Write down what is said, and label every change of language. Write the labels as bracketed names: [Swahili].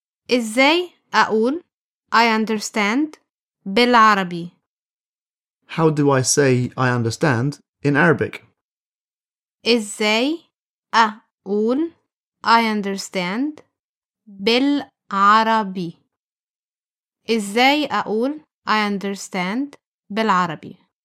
[Arabic] إزاي أقول [English] I understand [Arabic] بالعربي. [English] How do I say I understand in Arabic? [Arabic] إزاي أقول [English] I understand [Arabic] بالعربي. إزاي أقول [English] I understand [Arabic] بالعربي.